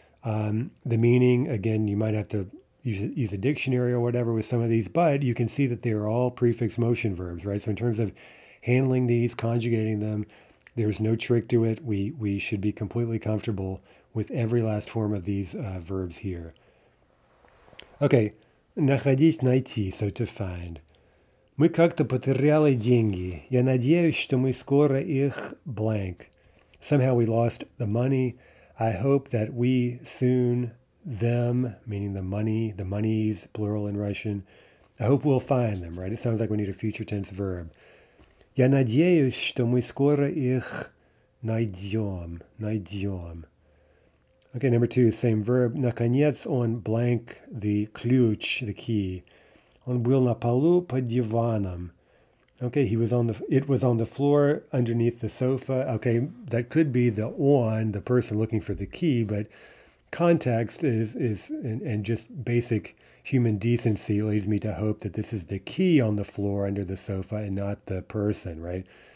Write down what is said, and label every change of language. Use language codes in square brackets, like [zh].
[en] The meaning, again, you might have to use a dictionary or whatever with some of these, but you can see that they're all prefix motion verbs, right? So in terms of handling these, conjugating them, there's no trick to it. We should be completely comfortable with every last form of these verbs here. Okay, находить, найти, so to find. [ru] Мы как-то потеряли деньги. Я надеюсь, что мы скоро их [en] blank. Somehow we lost the money. I hope that we soon them, meaning the money, the monies, plural in Russian. I hope we'll find them, right? It sounds like we need a future tense verb. [ru] Я надеюсь, что мы скоро их найдем. [en] Найдем. Okay, number two, same verb. [ru] Наконец он [en] blank the ключ, the key. [ru] Он был на полу под диваном. [en] Okay, it was on the floor underneath the sofa. Okay, that could be the on, the person looking for the key, but context is and just basic human decency leads me to hope that this is the key on the floor under the sofa and not the person, right?